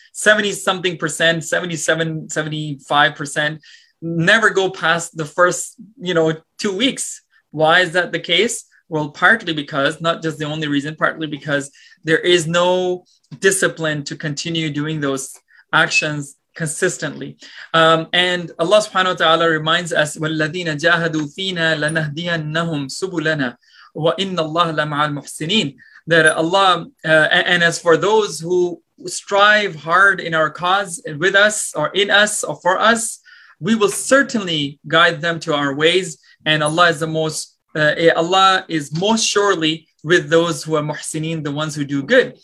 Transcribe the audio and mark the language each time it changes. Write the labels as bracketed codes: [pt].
[en] 70-something%, 77-75% never go past the first, 2 weeks. Why is that the case? Well, partly because, not just the only reason, partly because there is no discipline to continue doing those actions consistently. And Allah subhanahu wa ta'ala reminds us, [ar] وَالَّذِينَ جَاهَدُوا فِينَا لَنَهْدِيَنَّهُمْ سُبُلَنَا وَإِنَّ اللَّهَ لَمَعَ الْمُحْسِنِينَ. [en] That Allah, and as for those who strive hard in our cause with us or in us or for us, we will certainly guide them to our ways, and Allah is the most Allah is most surely with those who are muhsineen, the ones who do good.